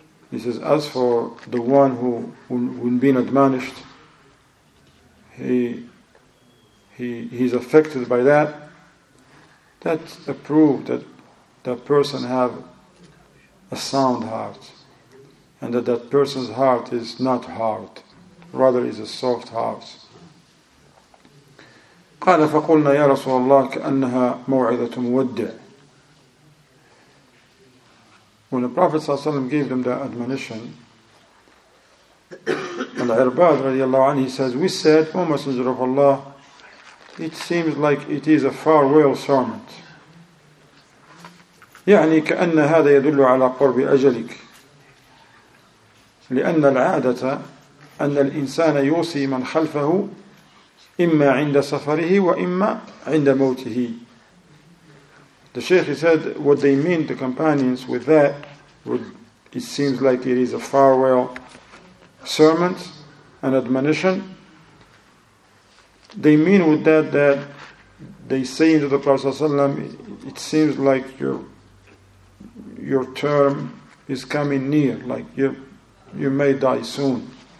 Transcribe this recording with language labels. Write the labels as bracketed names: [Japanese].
[English] He says, as for the one who, when being admonished, he's affected by that, that's a proof that that person have a sound heart, and that that person's heart is not hard, rather is a soft heart. [Arabic] قال فقلنا يا رسول الله كأنها موعظة مودع. [English] When the Prophet ﷺ gave them the admonition, Al-Irbad radiallahu anhu, he says, we said, O Messenger of Allah, it seems like it is a farewell sermon. [Arabic] يعني كأن هذا يدل على قرب أجلك. لأن العادة أن الإنسان يوصي من خلفه إما عند سفره وإما عند موته. [English] The Sheikh said, what they mean, the companions, with that, it seems like it is a farewell sermon, an admonition. They mean with that that they say to the Prophet ﷺ, it seems like your term is coming near, like you may die soon.